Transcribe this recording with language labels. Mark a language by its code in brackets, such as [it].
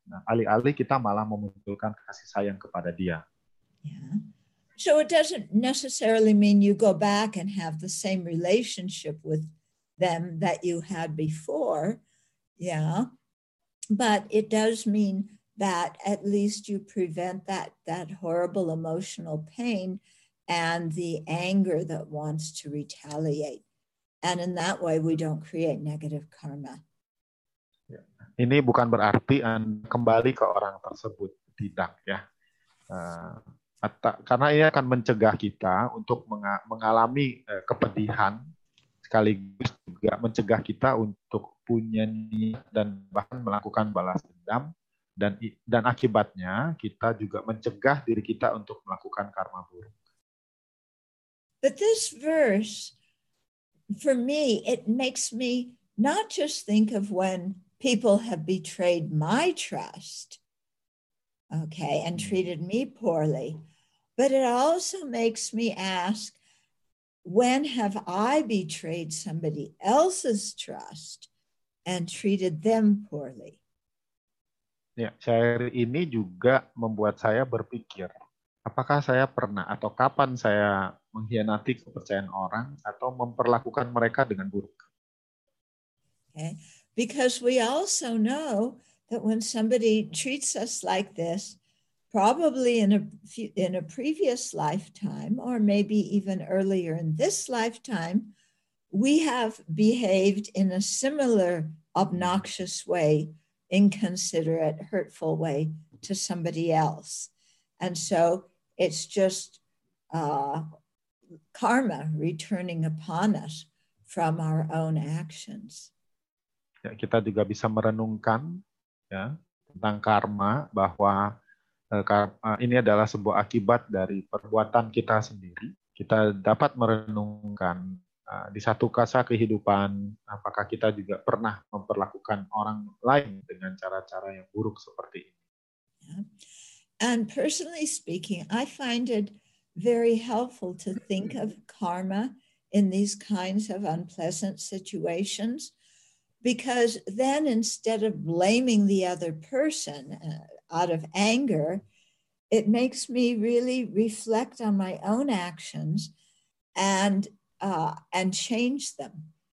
[id] Nah, alih-alih kita malah memunculkan kasih sayang kepada dia. [en] Yeah. So it doesn't necessarily mean you go back and have the same relationship with them that you had before. Yeah. But it does mean that at least you prevent that horrible emotional pain and the anger that wants to retaliate. And in that way, we don't create negative karma. [id] Ini bukan berarti kembali ke orang tersebut. Tidak, ya. Karena ini akan mencegah kita untuk mengalami kepedihan, sekaligus juga mencegah kita untuk punya niat dan bahkan melakukan balas dendam, dan akibatnya kita juga mencegah diri kita untuk melakukan karma buruk. [en] But this verse, for me, it makes me not just think of when people have betrayed my trust, okay, and treated me poorly, but it also makes me ask, when have I betrayed somebody else's trust and treated them poorly? [id] Ya, syair ini juga membuat saya berpikir, apakah saya pernah atau kapan saya mengkhianati kepercayaan orang atau memperlakukan mereka dengan buruk? [en] Okay, because we also know that when somebody treats us like this, probably in a previous lifetime, or maybe even earlier in this lifetime, we have behaved in a similar obnoxious way, inconsiderate, hurtful way to somebody else. And so it's just karma returning upon us from our own actions. [id] Ya, kita juga bisa merenungkan ya, tentang karma, bahwa ini adalah sebuah akibat dari perbuatan kita sendiri. Kita dapat merenungkan di satu kasa kehidupan, apakah kita juga pernah memperlakukan orang lain dengan cara-cara yang buruk seperti ini. [en] And personally speaking, I find it very helpful to think of karma in these kinds of unpleasant situations. Because then instead of blaming the other person out of anger, it makes me really reflect on my own actions and change them.